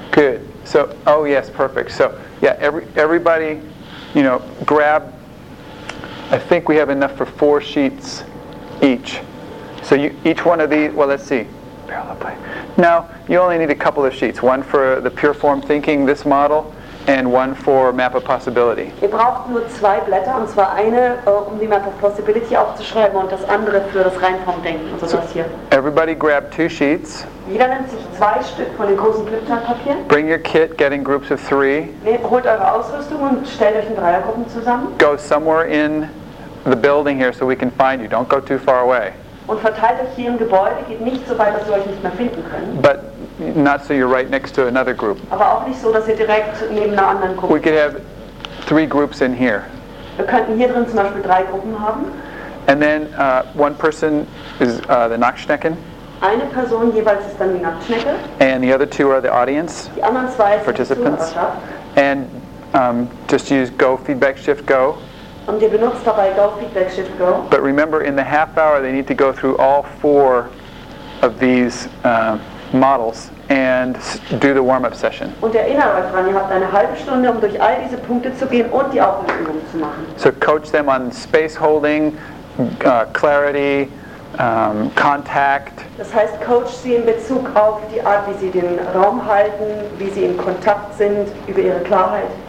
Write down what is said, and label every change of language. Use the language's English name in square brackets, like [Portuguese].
[English] Good. So, oh yes, perfect. So, yeah, everybody, you know, grab. I think we have enough for 4 sheets each. So you, each one of these. Well, let's see. No, you only need a couple of sheets. One for the pure form thinking, this model, and one for map of possibility. [German] Ihr braucht nur 2 Blätter, und zwar eine, um die map of possibility aufzuschreiben, und das andere für das Reinformdenken, also so das hier. [English] Everybody grab 2 sheets. [German] Jeder nimmt sich 2 Stück von den großen Flipchart-Papieren. [English] Bring your kit, get in groups of 3. [German] Holt eure Ausrüstung und stellt euch in Dreiergruppen zusammen. [English] Go somewhere in the building here so we can find you. Don't go too far away. [German] Und verteilt euch hier im Gebäude, geht nicht so weit, dass ihr euch nicht mehr finden könnt. [English] But not so you're right next to another group. [German] Aber auch nicht so, dass ihr direkt neben einer anderen Gruppe. [English] We could have 3 groups in here. [German] Wir könnten hier drin zum Beispiel 3 Gruppen haben. [English] And then one person is the Nacktschnecken. [German] Eine Person jeweils ist dann die Nacktschnecke. [English] And the other two are the audience. [German] Die anderen 2 participants. [English] And just use Go Feedback Shift Go. [German] Und ihr benutzt dabei Go Feedback Shift Go. [English] But remember, in the half hour, they need to go through all 4 of these models and do the warm-up session. [German] Und erinnert euch dran, ihr habt eine halbe Stunde, um durch all diese Punkte zu gehen und die Aufwärmübung zu machen. [English] So coach them on space holding, clarity, contact. [German] Das heißt, coach sie in Bezug auf die Art, wie sie den Raum halten, wie sie in Kontakt sind, über ihre Klarheit.